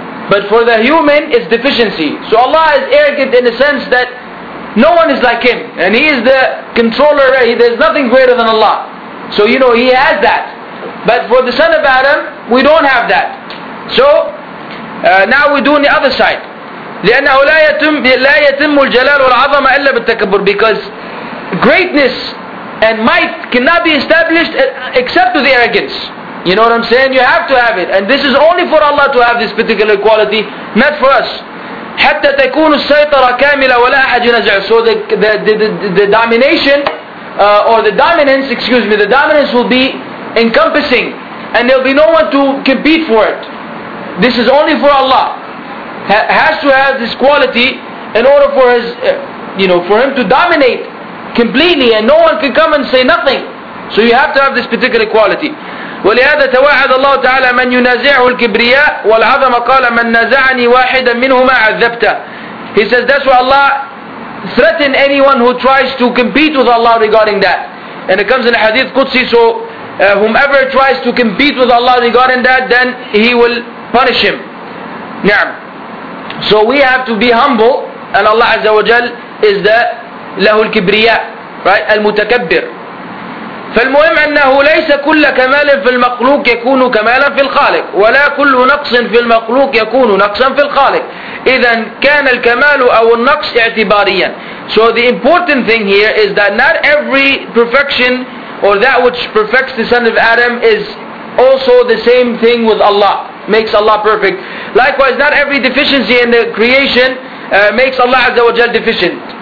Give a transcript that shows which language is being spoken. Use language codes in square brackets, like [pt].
[en] But for the human, it's deficiency. So Allah is arrogant in the sense that no one is like Him. And He is the controller. There's nothing greater than Allah. So, you know, He has that. But for the son of Adam, we don't have that. So now we're doing the other side. [ar] لأنه لا يتم الجلال والعظمة إلا بالتكبر. [en] Because greatness and might cannot be established except with the arrogance. You know what I'm saying? You have to have it. And this is only for Allah to have this particular quality, not for us. [ar] حتى تكون السيطرة كاملة ولا أحد ينزع. [en] So the domination or the dominance, excuse me, the dominance will be encompassing, and there'll be no one to compete for it. This is only for Allah. Has to have this quality in order for His, you know, for Him to dominate completely, and no one can come and say nothing. So you have to have this particular quality. [ar] ولهذا توعد الله تعالى من ينازعه الكبرياء والعظمة قال من نزعني واحدا منهما عذبته. [en] He says that's why Allah threatened anyone who tries to compete with Allah regarding that. And it comes in the Hadith Qudsi. So whomever tries to compete with Allah regarding that, then he will punish him. [ar] نعم. [en] So we have to be humble, and Allah Azza wa Jal is the [ar] له الكبرياء, [en] right? [ar] المتكبر. فالمهم أنه ليس كل كمال في المخلوق يكون كمالا في الخالق ولا كل نقص في المخلوق يكون نقصا في الخالق. إذا كان الكمال أو النقص اعتباريا. [en] So the important thing here is that not every perfection or that which perfects the son of Adam is also the same thing with Allah, makes Allah perfect. Likewise, not every deficiency in the creation makes Allah Azza wa Jal deficient.